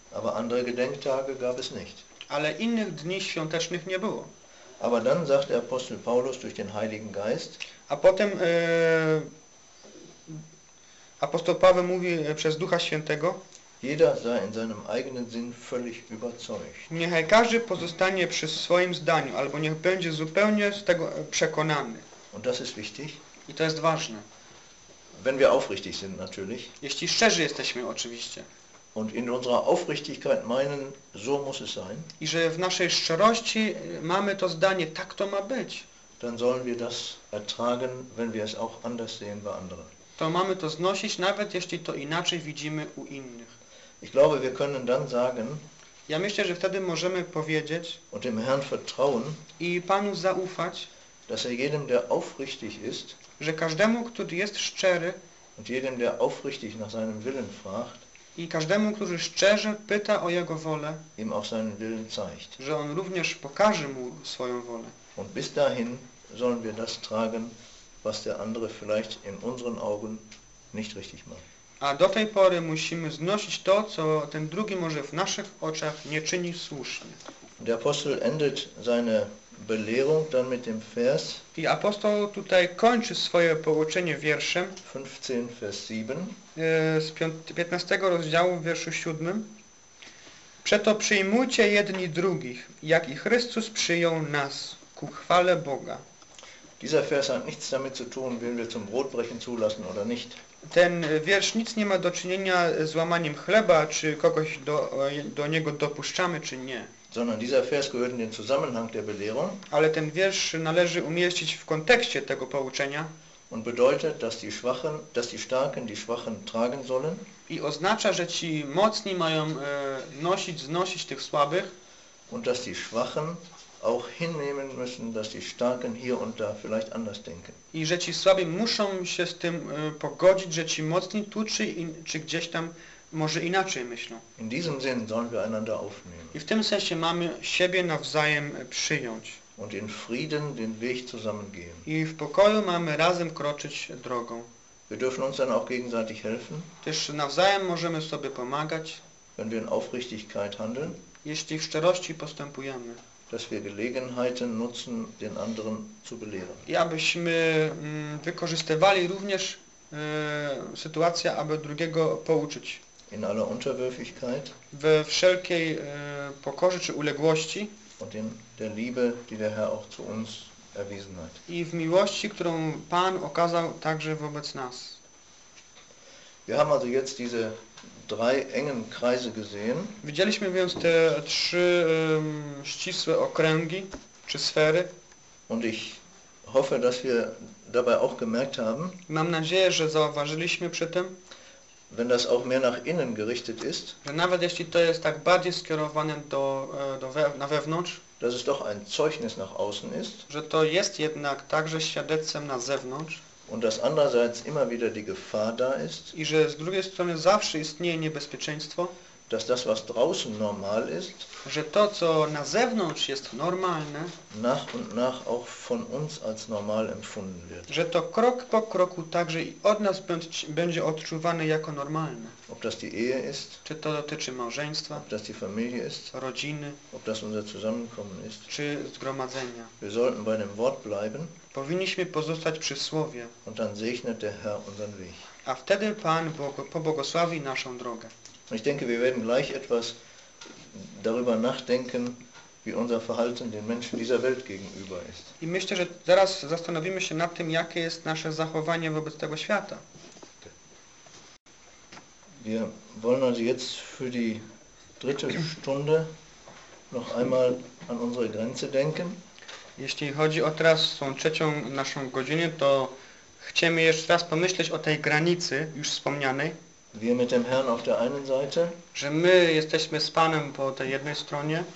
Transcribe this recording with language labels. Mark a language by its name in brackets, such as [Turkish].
[German] Aber andere Gedenktage gab es nicht. [Polish] Ale innych dni świątecznych nie było. [German] Aber dann sagt der Apostel Paulus durch den Heiligen Geist. [Polish] A potem Apostoł Paweł mówi przez Ducha Świętego. [German] Jeder sei in seinem eigenen Sinn völlig überzeugt. [Polish] Niechaj każdy pozostanie przy swoim zdaniu, albo niech będzie zupełnie z tego przekonany. [German] Und das ist wichtig. [Polish] I to jest ważne. [German] Wenn wir aufrichtig sind, natürlich. [Polish] Jeśli szczerzy jesteśmy, oczywiście. [German] Und in unserer Aufrichtigkeit meinen, so muss es sein. [Polish] I że w naszej szczerości mamy to zdanie, tak to ma być. [German] Dann sollen wir das ertragen, wenn wir es auch anders sehen bei anderen. [Polish] To mamy to znosić, nawet jeśli to inaczej widzimy u innych. [German] Ich glaube, wir können dann sagen, [Polish] ja myślę, że wtedy możemy powiedzieć [German] und dem Herrn vertrauen, [Polish] i Panu zaufać, [German] dass er jedem, der aufrichtig ist, [Polish] że każdemu, który jest szczery [German] und jedem, der aufrichtig nach seinem Willen fragt, [Polish] i każdemu, który szczerze pyta o Jego wolę, [German] ihm auch seinen Willen zeigt. [Polish] Że On również pokaże mu swoją wolę. [German] Und bis dahin sollen wir das tragen, was der andere vielleicht in unseren Augen nicht richtig macht. [Polish] A do tej pory musimy znosić to, co ten drugi może w naszych oczach nie czyni słusznie. [German] Der Apostel endet seine Belehrung dann mit dem Vers. [Polish] I apostoł tutaj kończy swoje pouczenie wierszem [German] 15, Vers 7. [Polish] Z 15 rozdziału w wierszu 7. Przeto przyjmujcie jedni drugich, jak i Chrystus przyjął nas ku chwale Boga. [German] Dieser Vers hat nichts damit zu tun, wen wir zum Brotbrechen zulassen oder nicht. [Polish] Ten wiersz nic nie ma do czynienia z łamaniem chleba, czy kogoś do niego dopuszczamy, czy nie. [German] Sondern dieser Vers gehört in den Zusammenhang der Belehrung. [Polish] Ale ten wiersz należy umieścić w kontekście tego pouczenia. [German] Und bedeutet, dass die Starken die Schwachen tragen sollen. [Polish] I oznacza, że ci mocni mają znosić tych słabych. [German] Und dass die Schwachen auch hinnehmen müssen, dass die Starken hier und da vielleicht anders denken. [Polish] I że ci słabi muszą się z tym pogodzić, że ci mocni tu czy gdzieś tam może inaczej myślą. [German] In diesem Sinn sollen wir einander aufnehmen. [Polish] I w tym sensie mamy siebie nawzajem przyjąć. [German] Und in Frieden den Weg zusammen gehen. [Polish] I w pokoju mamy razem kroczyć drogą. [German] Wir dürfen uns dann auch gegenseitig helfen. [Polish] Też nawzajem możemy sobie pomagać. [German] Wenn wir in Aufrichtigkeit handeln. [Polish] Jeśli w szczerości postępujemy. [German] Dass wir Gelegenheiten nutzen, den anderen zu belehren. [Polish] I abyśmy wykorzystywali również sytuację, aby drugiego pouczyć. [German] In aller Unterwürfigkeit. [Polish] We wszelkiej pokorze czy uległości. [German] Und in der Liebe, die der Herr auch zu uns erwiesen hat. [Polish] I w miłości, którą Pan okazał także wobec nas. [German] Wir haben also jetzt diese drei engen Kreise gesehen. [Polish] Widzieliśmy więc te trzy ścisłe okręgi czy sfery. [German] Und ich hoffe, dass wir dabei auch gemerkt haben. [Polish] Mam nadzieję, że zauważyliśmy przy tym. [German] Wenn das auch mehr nach innen gerichtet ist. [Polish] Że nawet jeśli to jest tak bardziej skierowane na wewnątrz. [German] Dass es doch ein Zeugnis nach außen ist. [Polish] Że to jest jednak także świadectwem na zewnątrz. [German] Und dass andererseits immer wieder die Gefahr da ist. [Polish] I że z drugiej strony zawsze istnieje niebezpieczeństwo. [German] Dass das, was draußen normal ist. [Polish] Że to, co na zewnątrz jest normalne. [German] Nach und nach auch von uns als normal empfunden wird. [Polish] Że to krok po kroku także i od nas będzie odczuwane jako normalne. [German] Ob das die Ehe ist. [Polish] Czy to dotyczy małżeństwa. [German] Ob das die Familie ist. [Polish] Rodziny. [German] Ob das unser Zusammenkommen ist. [Polish] Czy zgromadzenia. [German] Wir sollten bei dem Wort bleiben. [Polish] Powinniśmy pozostać przy Słowie. [German] Und dann segnet der Herr unseren Weg. [Polish] A wtedy Pan pobłogosławi naszą drogę. [German] Ich denke, wir werden gleich etwas darüber nachdenken, wie unser Verhalten den Menschen dieser Welt gegenüber ist. [Polish] I myślę, że zaraz zastanowimy się nad tym, jakie jest nasze zachowanie wobec tego świata. [German] Wir wollen also jetzt für die dritte Stunde noch einmal an unsere Grenze denken. [Polish] Jeśli chodzi o teraz tą trzecią naszą godzinę, to chcemy jeszcze raz pomyśleć o tej granicy już wspomnianej. [German] Wir mit dem Herrn auf der einen Seite. [Polish] Że my jesteśmy z Panem po tej jednej stronie.